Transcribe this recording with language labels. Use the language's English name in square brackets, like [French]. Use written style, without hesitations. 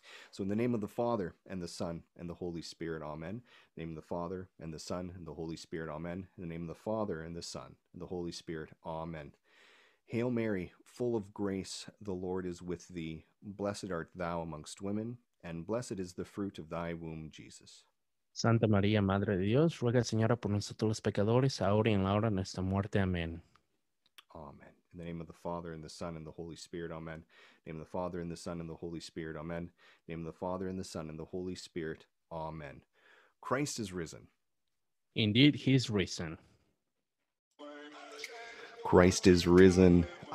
[English] So in the name of the Father, and the Son, and the Holy Spirit, amen. In the name of the Father, and the Son, and the Holy Spirit, amen. In the name of the Father, and the Son, and the Holy Spirit, amen. Hail Mary, full of grace, the Lord is with thee. Blessed art thou amongst women, and blessed is the fruit of thy womb, Jesus. [Spanish] Santa María, Madre de Dios, ruega, Señora, por nosotros los pecadores, ahora y en la hora de nuestra muerte, amen. [English] Amen. In the name of the Father, and the Son, and the Holy Spirit, amen. Name of the Father, and the Son, and the Holy Spirit, amen. Name of the Father, and the Son, and the Holy Spirit, amen. Christ is risen. Indeed, he is risen. Christ is risen.